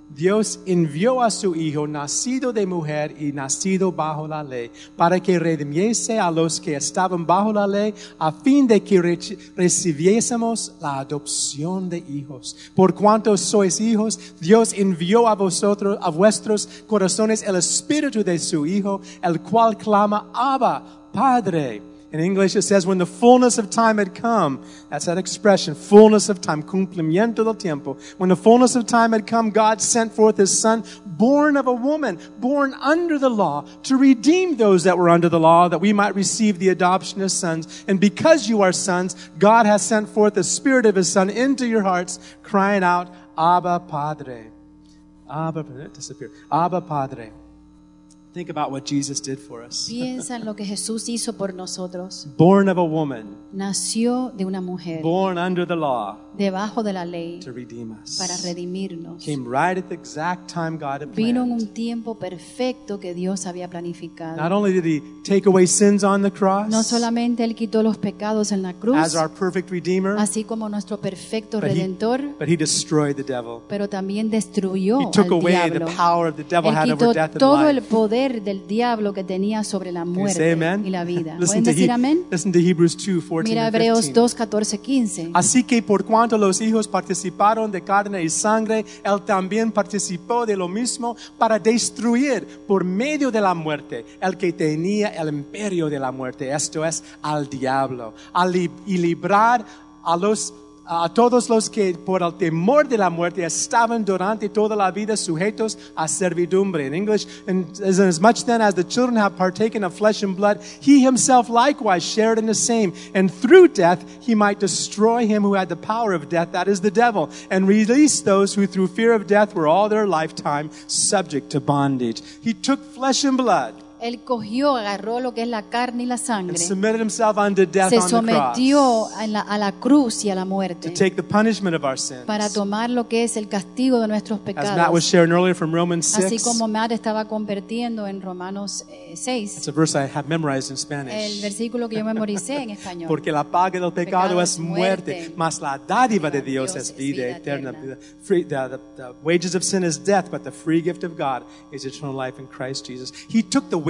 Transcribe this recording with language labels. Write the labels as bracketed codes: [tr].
[es] Dios envió a su hijo nacido de mujer y nacido bajo la ley para que redimiese a los que estaban bajo la ley a fin de que recibiésemos la adopción de hijos. Por cuanto sois hijos, Dios envió a vosotros, a vuestros corazones, el espíritu de su hijo, el cual clama, Abba, Padre. [en] In English it says, when the fullness of time had come, that's that expression, fullness of time, [es] cumplimiento del tiempo. [en] When the fullness of time had come, God sent forth his son, born of a woman, born under the law, to redeem those that were under the law, that we might receive the adoption of sons. And because you are sons, God has sent forth the spirit of his son into your hearts, crying out, Abba, Padre. Abba, Padre, it disappeared. Abba, Padre. Think about what Jesus did for us. [es] Piensa en lo que Jesús hizo por nosotros. [en] Born of a woman. [es] Nació de una mujer. [en] Born under the law. [es] Debajo de la ley. [en] To redeem us. [es] Para redimirnos. [en] Came right at the exact time God had [es] vino [en] planned. [es] En un tiempo perfecto que Dios había planificado. [en] Not only did he take away sins on the cross. [es] No solamente él quitó los pecados en la cruz. [en] As our perfect redeemer. [es] Así como nuestro perfecto redentor. [en] But he destroyed the devil. [es] Pero también destruyó [en] he took [es] al [en] away [es] diablo. [en] The power of the devil had over death and [es] todo [en] life. [es] El poder del diablo que tenía sobre la muerte y la vida. [en] Listen [es] ¿pueden decir amén? [en] Listen to Hebrews 2, 14 and 15. [es] Mira Hebreos 2, 14, 15. Así que por cuanto los hijos participaron de carne y sangre, él también participó de lo mismo para destruir por medio de la muerte el que tenía el imperio de la muerte, esto es, al diablo, y librar a los a todos los que por el temor de la muerte estaban durante toda la vida sujetos a servidumbre. [en] In English, and as much then as the children have partaken of flesh and blood, he himself likewise shared in the same. And through death, he might destroy him who had the power of death, that is the devil, and release those who through fear of death were all their lifetime subject to bondage. He took flesh and blood. [es] Él cogió, agarró lo que es la carne y la sangre. [en] And submitted himself unto death [es] se sometió a la cruz y a la muerte. [en] To take the punishment of our sins. [es] Para tomar lo que es el castigo de nuestros pecados. [en] As Matt was sharing earlier from Romans 6. [es] Así como Matt estaba compartiendo en Romanos 6. [en] It's a verse I have memorized in Spanish. [es] El versículo que yo memoricé en español. Porque la paga del pecado es muerte, mas la dádiva de Dios es vida eterna. [en] The wages of sin is death, but the free gift of God is eternal life in Christ Jesus. He took the